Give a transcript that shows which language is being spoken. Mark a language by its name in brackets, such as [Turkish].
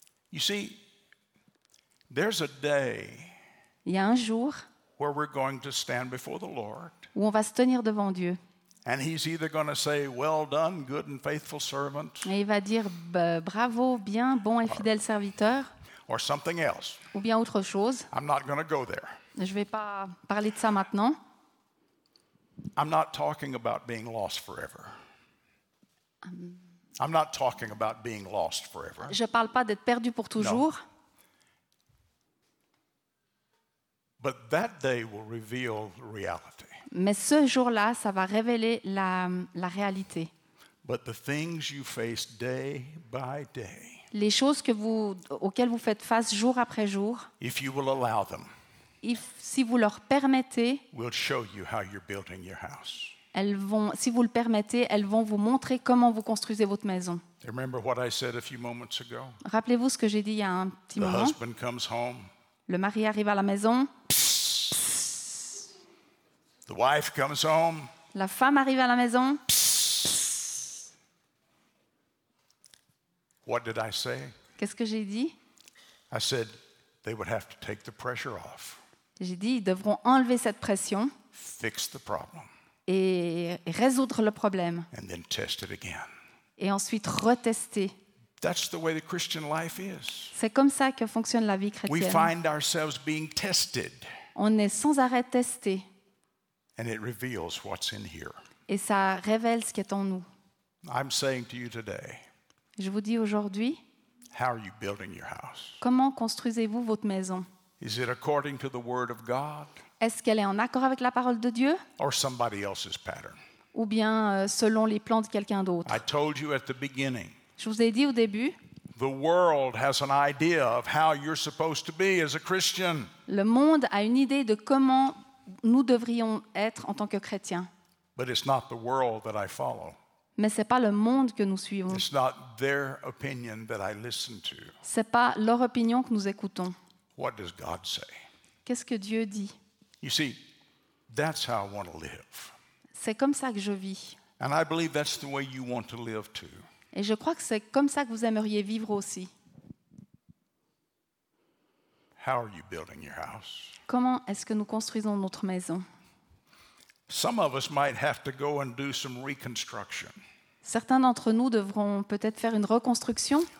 [English] You see, there's a day. [French] Il y a un jour [English] where we're going to stand before the Lord, [French] où on va se tenir devant Dieu. [English] And he's either going to say, "Well done, good and faithful servant." [French] Et il va dire, bravo, bien, bon et fidèle serviteur. [English] Or something else. [French] Ou bien autre chose. [English] I'm not going to go there. [French] Je vais pas parler de ça maintenant. [English] I'm not talking about being lost forever. I'm not talking about being lost forever. [French] Je parle pas d'être perdu pour toujours. [English] No. But that day will reveal reality. [French] Mais ce jour-là, ça va révéler la réalité. [English] But the things you face day by day. [French] Les choses auxquelles vous faites face jour après jour. [English] If you will allow them. [French] Si vous leur permettez. [English] Will show you how you're building your house. [French] Si vous le permettez, elles vont vous montrer comment vous construisez votre maison. [English] Remember what I said a few moments ago. [French] Rappelez-vous ce que j'ai dit il y a un petit [English] the [French] moment. [English] The husband comes home. [French] Le mari arrive à la maison. [English] The wife comes home. [French] La femme arrive à la maison. [English] What did I say? [French] Qu'est-ce que j'ai dit? [English] I said they would have to take the pressure off. [French] J'ai dit ils devront enlever cette pression. [English] Fix the problem. [French] Et résoudre le problème. [English] And then test it again. [French] Et ensuite retester. [English] That's the way the Christian life is. [French] C'est comme ça que fonctionne la vie chrétienne. [English] We find ourselves being tested. [French] On est sans arrêt testé. [English] And it reveals what's in here. [French] Et ça révèle ce qui est en nous. [English] I'm saying to you today. [French] Je vous dis aujourd'hui. [English] How are you building your house? [French] Comment construisez-vous votre maison? [English] Is it according to the word of God? [French] Est-ce qu'elle est en accord avec la parole de Dieu? [English] Or somebody else's pattern? [French] Ou bien selon les plans de quelqu'un d'autre? [English] I told you at the beginning. [French] Je vous ai dit au début. [English] The world has an idea of how you're supposed to be as a Christian. [French] Le monde a une idée de comment nous devrions être en tant que chrétiens. [English] But it's not the world that I follow. [French] Mais c'est pas le monde que nous suivons. [English] It's not their opinion that I listen to. [French] C'est pas leur opinion que nous écoutons. [English] What does God say? [French] Qu'est-ce que Dieu dit? [English] You see, that's how I want to live. [French] C'est comme ça que je vis. [English] And I believe that's the way you want to live too. [French] Et je crois que c'est comme ça que vous aimeriez vivre aussi. [English] How are you building your house? [French] Comment est-ce que nous construisons notre maison? [English] Some of us might have to go and do some reconstruction. [French] Certains d'entre nous devront peut-être faire une reconstruction.